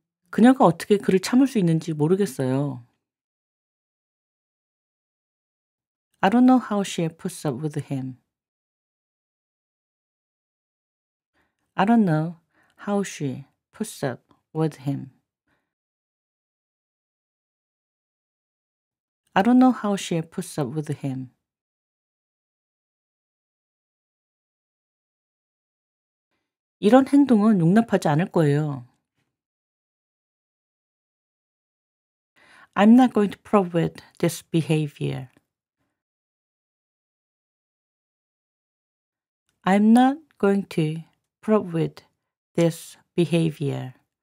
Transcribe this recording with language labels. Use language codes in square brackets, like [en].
[ko] 그녀가 어떻게 그를 참을 수 있는지 모르겠어요. [en] I don't know how she puts up with him. I don't know how she puts up with him. I don't know how she puts up with him. [ko] 이런 행동은 용납하지 않을 거예요. [en] I'm not going to put up with this behavior. I'm not going to put up with this behavior.